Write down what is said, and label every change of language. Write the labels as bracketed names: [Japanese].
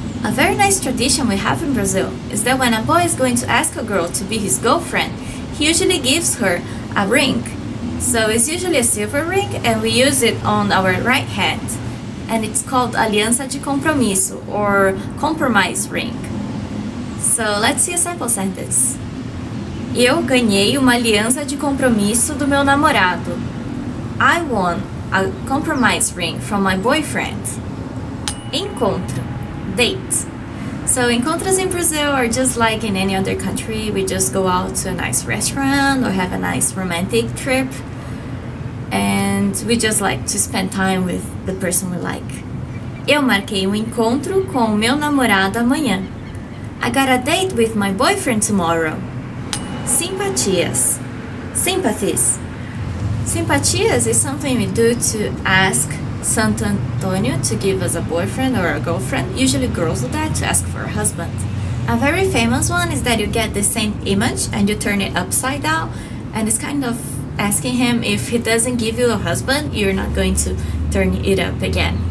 [English] A very nice tradition we have in Brazil is that when a boy is going to ask a girl to be his girlfriend, he usually gives her a ring. So it's usually a silver ring and we use it on our right hand. And it's called Aliança de Compromisso or Compromise Ring. So let's see a sample sentence. [Portuguese] Eu ganhei uma aliança de compromisso do meu namorado. [English] I won a compromise ring from my boyfriend. [Portuguese] Encontro. Date. [English] So encontros in Brazil are just like in any other country. We just go out to a nice restaurant or have a nice romantic trip. And we just like to spend time with the person we like. [Portuguese] Eu marquei encontro com o meu namorado amanhã. [English] I got a date with my boyfriend tomorrow. [Portuguese] Simpatias. [English] Sympathies. Simpatias is something we do to ask Santo Antônio to give us a boyfriend or a girlfriend. Usually girls do that to ask for a husband. A very famous one is that you get the same image and you turn it upside down and it's kind of asking him if he doesn't give you a husband, you're not going to turn it up again.